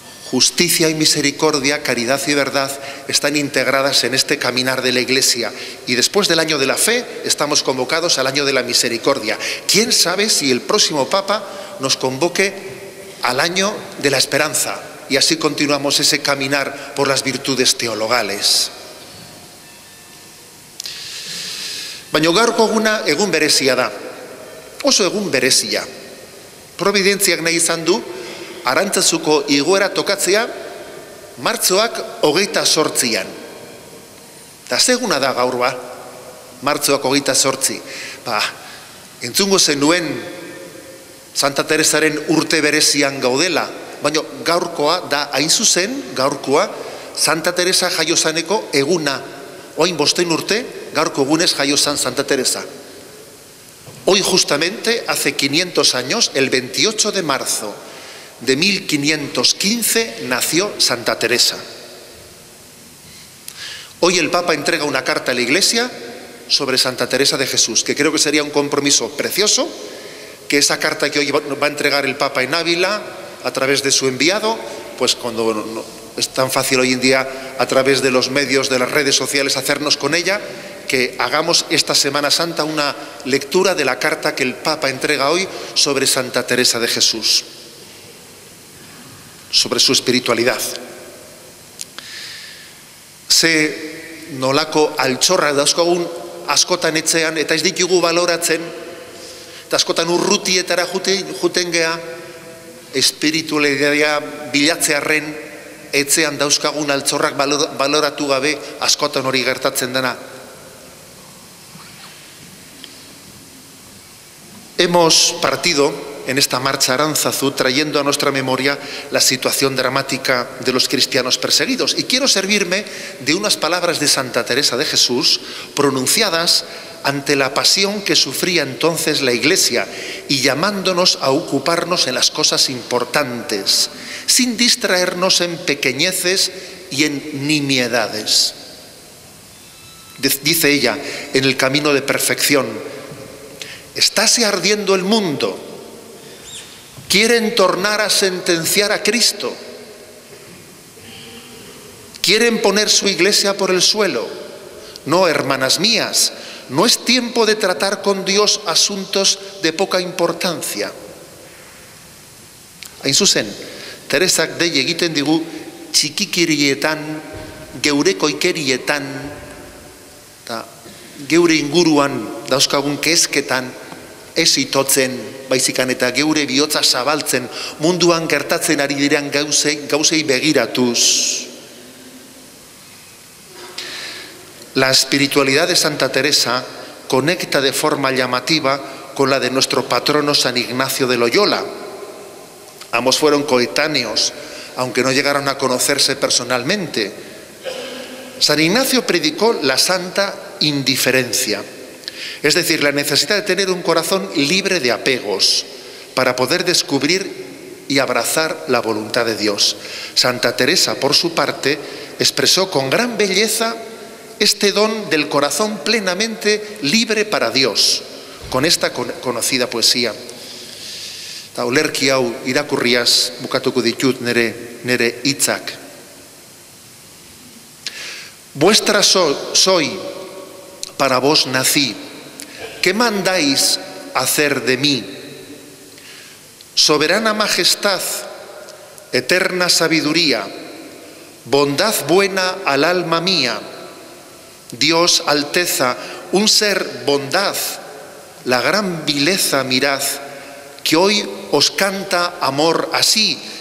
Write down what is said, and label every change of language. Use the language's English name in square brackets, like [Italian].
[Spanish] Justicia y misericordia, caridad y verdad están integradas en este caminar de la Iglesia. Y después del año de la fe, estamos convocados al año de la misericordia. ¿Quién sabe si el próximo Papa nos convoque al año de la esperanza? Y así continuamos ese caminar por las virtudes teologales. [Basque] Baina gaurko eguna egun berezia da. Oso egun berezia. Providentziak nahi izan du, Arantzazuko igoera tokatzea martzoak 28an. Da zeguna da gaur ba, martzoak 28. Ba, entzungo zenuen Santa Teresaren urte berezian gaudela, baina gaurkoa da hain zuzen, gaurkoa, Santa Teresa jaiozaneko eguna. Oain 5 urte, gaurko egunez jaiozan Santa Teresa. [Spanish] Hoy justamente, hace 500 años, el 28 de marzo, de 1515 nació Santa Teresa. Hoy el Papa entrega una carta a la Iglesia sobre Santa Teresa de Jesús, que creo que sería un compromiso precioso, que esa carta que hoy va a entregar el Papa en Ávila a través de su enviado, pues cuando no, es tan fácil hoy en día a través de los medios, de las redes sociales hacernos con ella, que hagamos esta Semana Santa una lectura de la carta que el Papa entrega hoy sobre Santa Teresa de Jesús. sobre su espiritualidad. [Basque] Se nolako altxorra dauzkagun askotan etxean, eta ez ditugu baloratzen, eta askotan urrutietara juten gea, espiritualidadea bilatzearen etxean dauzkagun altxorrak baloratu gabe askotan hori gertatzen dena. [Spanish] Hemos partido en esta marcha Aránzazu trayendo a nuestra memoria la situación dramática de los cristianos perseguidos. Y quiero servirme de unas palabras de Santa Teresa de Jesús pronunciadas ante la pasión que sufría entonces la Iglesia y llamándonos a ocuparnos en las cosas importantes, sin distraernos en pequeñeces y en nimiedades. Dice ella en el camino de perfección: «Estáse ardiendo el mundo, quieren tornar a sentenciar a Cristo, quieren poner su iglesia por el suelo. No, hermanas mías, no es tiempo de tratar con Dios asuntos de poca importancia». [Basque] Hain zuzen, Teresak dei egiten digu txikikirietan, geureko ikerietan, eta geure inguruan dauzkagun kezketan, ez itotzen, baizikan eta geure bihotza zabaltzen, munduan gertatzen ari diren gauzei begiratuz. [Spanish] La espiritualidad de Santa Teresa conecta de forma llamativa con la de nuestro patrono San Ignacio de Loyola. Ambos fueron coetáneos, aunque no llegaron a conocerse personalmente. San Ignacio predicó la santa indiferencia, es decir, la necesidad de tener un corazón libre de apegos para poder descubrir y abrazar la voluntad de Dios. Santa Teresa, por su parte, expresó con gran belleza este don del corazón plenamente libre para Dios, con esta conocida poesía. [Basque] Olerki hau irakurriaz bukatuko ditut nere hitzak. [Spanish] Vuestra soy, para vos nací. ¿Qué mandáis hacer de mí? Soberana majestad, eterna sabiduría, bondad buena al alma mía, Dios alteza, un ser bondad, la gran vileza mirad, que hoy os canta amor así.